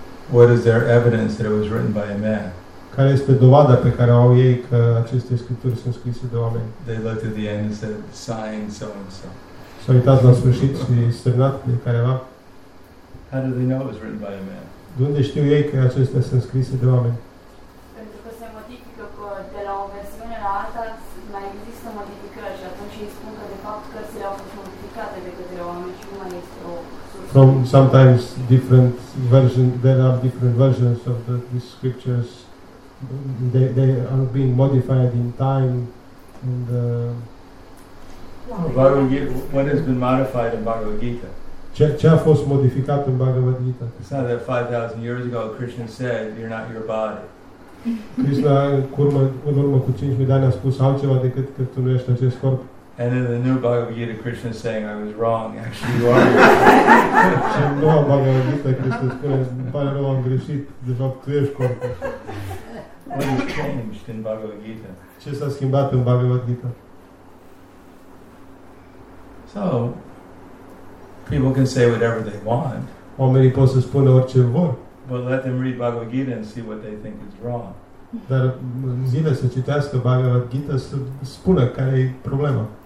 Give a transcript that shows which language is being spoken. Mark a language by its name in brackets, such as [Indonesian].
[English] What is their evidence that it was written by a man? [Romanian] Care este dovada pe care au ei că aceste scripturi sunt scrise de oameni? [English] They looked at the end and said, signed so and so. [Romanian] S-a uitat la sfârșit și semnat de careva. [English] How do they know it was written by a man? [Romanian] De unde știu ei că acestea sunt scrise de oameni? Pentru că se modifică de la o versiune la alta, mai există modificări și atunci îi spun că, de fapt, cărțile au fost modificate de către oameni și nu mai este o sursă. [English] From sometimes different versions, there are different versions of these scriptures. They are being modified in time. And, Bhagavad Gita, what has been modified in Bhagavad Gita? [Romanian] Ce a fost modificat în Bhagavad Gita? [English] It's not that 5,000 years ago Krishna said, you're not your body. [Romanian] Krishna, în urmă cu 5,000 de ani, a spus altceva decât că tu nu ești acest corp. [English] And in the new Bhagavad Gita, Krishna is saying, I was wrong, actually you are. [Romanian] Și în noua Bhagavad Gita, Krishna spune, îmi pare rău, am greșit, de fapt, tu ești corpul. [English] What has changed in Bhagavad Gita? [Romanian] Ce s-a schimbat în Bhagavad Gita? [English] So, people can say whatever they want. [Romanian] Oamenii pot să spună orice vor. [English] But let them read Bhagavad Gita and see what they think is wrong. [Romanian] Dar zile să citească Bhagavad Gita să spună care e problema.